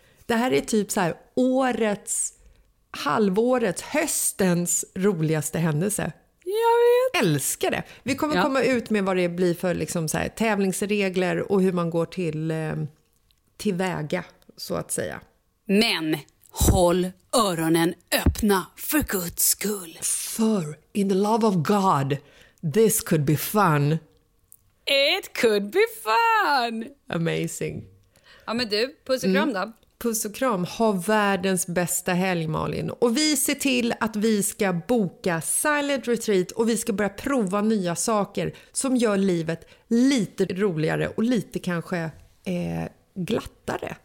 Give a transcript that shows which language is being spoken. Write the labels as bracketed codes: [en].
[sv] Det här är typ så här årets, halvårets, höstens roligaste händelse. Jag vet. Älskar det. Vi kommer komma ut med vad det blir för liksom så här, tävlingsregler och hur man går till väga, så att säga. Men håll öronen öppna för Guds skull. [en] For in the love of God, this could be fun. It could be fun. Amazing. [sv] Ja, men du, puss och kram då. Puss och kram. Ha världens bästa helg, Malin. Och vi ser till att vi ska boka Silent Retreat och vi ska börja prova nya saker som gör livet lite roligare och lite kanske glattare.